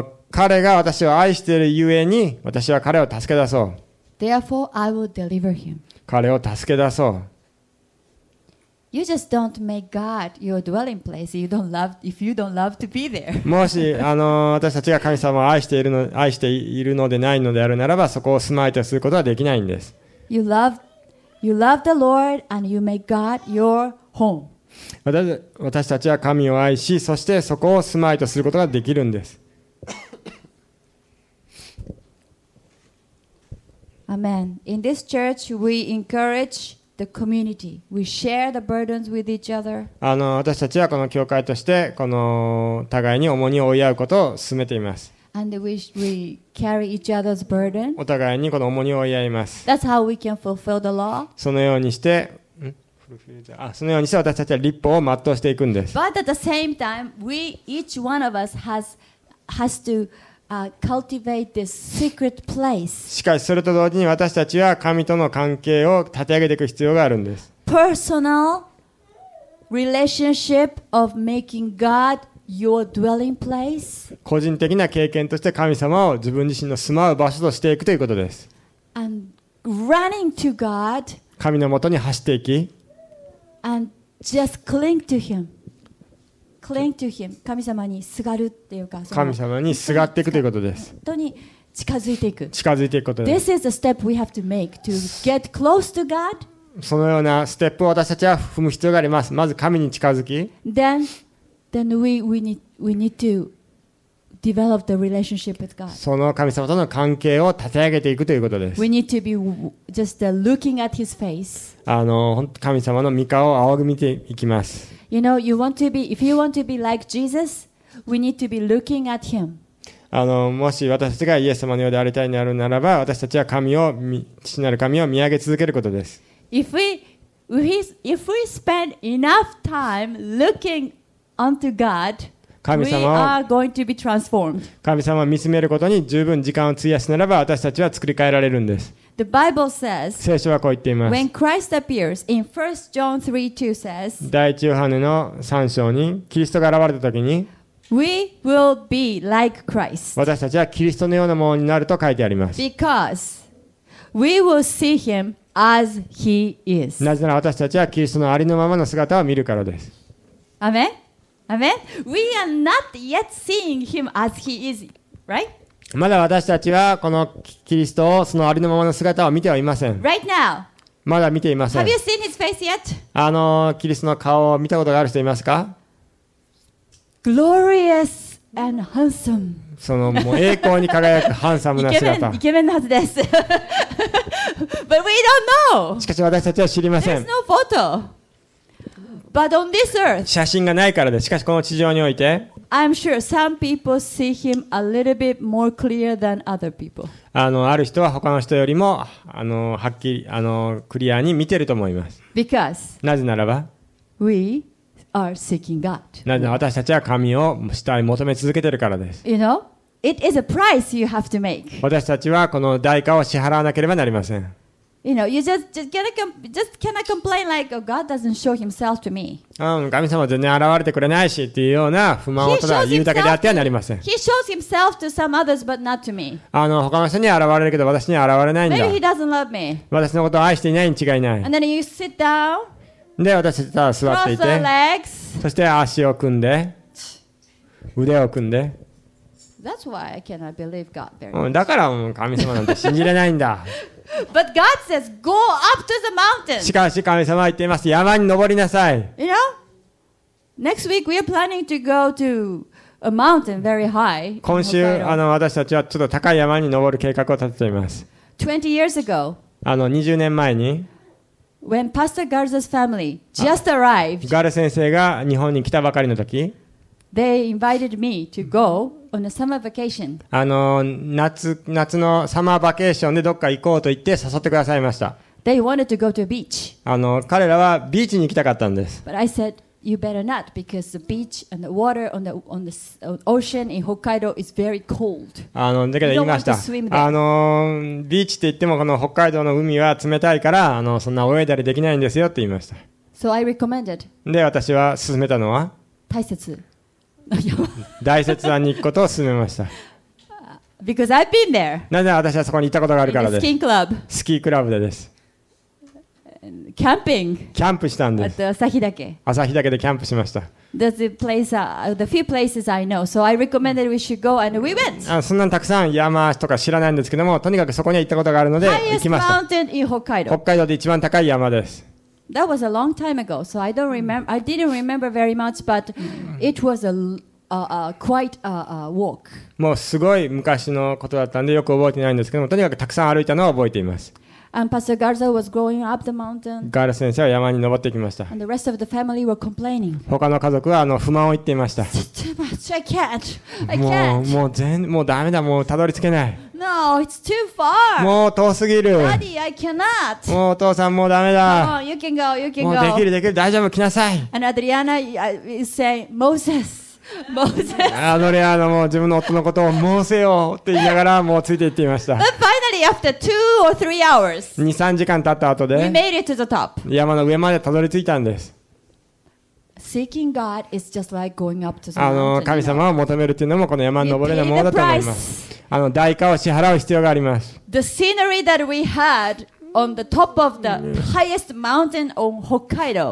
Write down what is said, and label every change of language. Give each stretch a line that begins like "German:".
Japanese: 彼が私を愛しているゆえに、私は彼を助け出そう。
English: Therefore I will deliver him.
Japanese: 彼を助け出そう。
English: You just don't make God your dwelling place. You don't love if you don't love to be there.
Japanese: もし私たちが神様を愛しているのでないのであるならば、そこを住まいとすることはできないんです。
English: You love the Lord and you make God your home.
Japanese: 私たちは神を愛し、そしてそこを住まいとすることができるんです。
English: Amen. In this church, we encourage. The community. We share the burdens with each other.
Japanese: 私たちはこの教会としてこの互いに重荷を負い合うことを進めています。
English: And we carry each other's burden.
Japanese: お互いにこの重荷を負い合います。
English: That's how we can fulfill the law.
Japanese: そのようにして私たちは律法を全うしていくんです。
English: But at the same time, we each one of us has to. Cultivate this secret place.
Japanese: しかしそれと同時に私たちは神との関係を立て上げていく必要があるんです。
English: Personal relationship of making God your dwelling place.
Japanese: 個人的な経験として神様を自分自身の住まう場所としていくということです。
English: And running to God.
Japanese: 神のもとに走っていき。
English: And just cling to Him. Cling to him.
Japanese: 神様にすがるっていうか、神様にすがっていくということです。本当に近づいていく。近づいていくことです。
English: This is the step we have to make to get close to God.
Japanese: そのようなステップを私たちは踏む必要があります。まず神に近づき。
English: Then we need to develop the relationship with God.
Japanese: その神様との関係を立て上げていくということです。
English: We need to be just looking at His face.
Japanese: 神様の御顔を仰ぐ見ていきます。
English: You know, you want to be. If you want to be like Jesus, we need to be looking at Him.
Japanese: もし私たちがイエス様のようでありたいになるならば、私たちは神を父なる神を見上げ続けることです。
English: If we spend enough time looking unto God, we are going to be transformed.
Japanese: 神様を見つめることに十分時間を費やすならば、私たちは作り変えられるんです。
English: The Bible says,
Japanese: 聖書はこう言っています。
English: When Christ appears, in 1 John 3, 2 says,
Japanese: 第1ヨハネの3章にキリストが現れた時に、
English: We will be like Christ.
Japanese: 私たちはキリストのようなものになると書いてあります。
English: Because we will see him as he is.
Japanese: なぜなら私たちはキリストのありのままの姿を見るからです。
English: Amen? Amen? We are not yet seeing him as he is, right?
Japanese: まだ私たちはこのキリストをそのありのままの姿を見てはいません。
English: Right now.
Japanese: まだ見ていません。
English: Have you seen his face yet?
Japanese: キリストの顔を見たことがある人いますか？
English: Glorious and handsome.
Japanese: そのもう栄光に輝くハンサムな姿。イケメンのはずです。
English: But we don't know.
Japanese: しかし私たちは知りません。
English: There's no photo. But on this earth.
Japanese: 写真がないからです。しかしこの地上において。
English: I'm sure some people see him a little bit more clear than other people.
Japanese: ある人は他の人よりもはっきりクリアに見てると思います。
English: Because
Japanese: なぜならば
English: we are seeking God.
Japanese: なぜなら私たちは神を主体求め続けてるからです。
English: You know, it is a price you have to make.
Japanese: 私たちはこの代価を支払わなければなりません。
English: You know, you just cannot complain like, oh, God doesn't show himself to me.
Japanese: 神様全然現れてくれないしっていうような不満をただ言うだけであってはなりません。
English: He shows himself to some others, but not to me.
Japanese: 他の人には現れるけど私には現れないんだ。
English: Maybe he doesn't love me.
Japanese: 私のことを愛していないに違いない。
English: And then you sit down.
Japanese: で、私たちは座っていて。
English: Cross our legs.
Japanese: そして足を組んで、腕を組んで。
English: That's why I cannot believe God very much.
Japanese: だから神様なんて信じれないんだ。
English: But God says, "Go up to the mountain."
Japanese: しかし神様は言っています。山に登りなさい。
English: You know, next week we are planning to go to a mountain very high.
Japanese: 今週私たちはちょっと高い山に登る計画を立てています。
English: 20 years ago,
Japanese: あの20年前に
English: When Pastor Garza's family just arrived,
Japanese: ガル先生が日本に来たばかりの時
English: They invited me to go on a summer vacation.
Japanese: あの 夏のサマーバケーションでどっか行こうと言って誘ってくださいました。
English: They wanted to go to a beach.
Japanese: あの彼らはビーチに行きたかったんです。
English: But I said, you better not, because the beach and the water on the ocean in Hokkaido is very cold.
Japanese: あのだけど言いました。あのビーチって言ってもこの北海道の海は冷たいからあのそんな泳いだりできないんですよって言いました。
English: So I recommended.
Japanese: で私は勧めたのは大切。大雪山に行くことを勧めました。
English: Because I've been there.
Japanese: なぜ私はそこに行ったことがあるからです。スキークラブ。スキークラブでです。キャンピング。キャンプしたんです。朝日岳。朝日岳でキャンプしました。
English: There's a place, the few places I know, so I recommended we should go and we went.
Japanese: あ、そんなにたくさん山とか知らないんですけども、とにかくそこには行ったことがあるので行きました。
English: Highest mountain in Hokkaido.
Japanese: 北海道で一番高い山です。
English: That was a long time ago, so I don't remember. I didn't remember very much, but it was a quite a walk.
Japanese: もうすごい昔のことだったんでよく覚えてないんですけども、とにかくたくさん歩いたのを覚えています。
English: And Pastor Garza was growing up the mountain.
Japanese: ガール先生は山に登ってきました。
English: And the rest of the family were complaining.
Japanese: 他の家族はあの不満を言っていました。
English: It's too much. I can't.
Japanese: もうダメだ。もうたどり着けない。
English: No, it's too far.
Japanese: もう遠すぎる。
English: Daddy, I cannot.
Japanese: もうお父さんもうダメだ。
English: No, you can go. You can go.
Japanese: もうできるできる。大丈夫。来なさい。
English: And Adriana is saying, Moses.
Japanese: アドリアーノも自分の夫のことをモーセよって言いながらもうついて行っていました。
English: But finally, after two or three hours,
Japanese: 2-3 時間経った後で
English: we made it to the top.
Japanese: 山の上までたどり着いたんです。
English: Seeking God is just like going up to the
Japanese: あの神様を求めるっていうのもこの山に登れるものだと思います。あの代価を支払う必要があります。
English: The scenery that we had on the top of the highest mountain on Hokkaido.